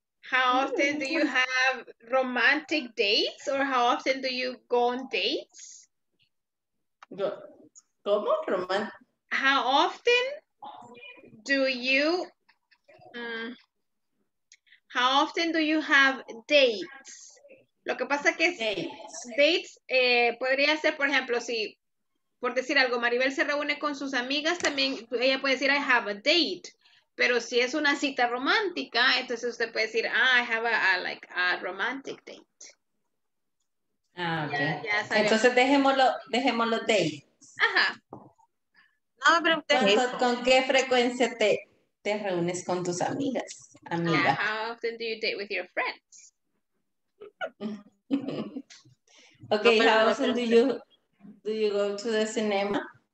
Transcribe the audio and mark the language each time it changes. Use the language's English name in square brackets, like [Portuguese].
[English] How often do you have romantic dates or how often do you go on dates? [Spanish] ¿Cómo? Romántico. [English] How often do you, how often do you have dates? [Spanish] Lo que pasa que dates podría ser, por ejemplo, si por decir algo, Maribel se reúne con sus amigas, también ella puede decir [English] I have a date, [Spanish] pero si es una cita romántica, entonces usted puede decir [English] I have a romantic date. [Spanish] Ah, okay. Ya entonces dejémoslo dates. Ajá. No, pero ¿con qué frecuencia te reúnes con tus amigas? [English] How often do you date with your friends? Okay, no, how often do you go to the cinema?